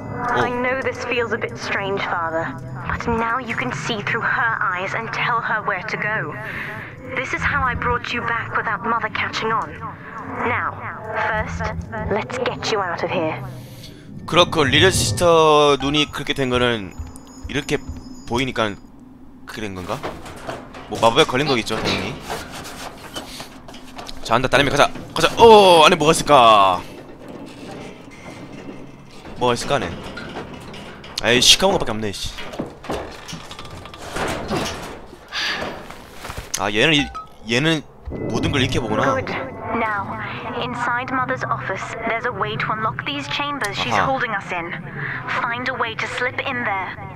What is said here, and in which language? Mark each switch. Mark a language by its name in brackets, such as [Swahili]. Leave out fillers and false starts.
[English] I know this feels a bit strange, father. But now you can see through her eyes and tell her where to go. This is how I brought you back without mother catching on. Now, first, let's get you out of here. [Korean] 그렇군. 리저 시스터 눈이 그렇게 된 거는 이렇게 보이니까 그런 건가? 뭐 마법에 걸린 거겠죠, 당연히. 자, 안다. 따님이 가자. 가자. 오, 안에 뭐가 있을까? 뭐가 있을까, 안에? 에이, 시커먼 것밖에 없네, 씨. 아, 얘는 얘는 모든 걸 이렇게 보구나. [English] Now, inside Mother's office, there's a way to unlock these chambers she's holding us in. Find a way to slip in there.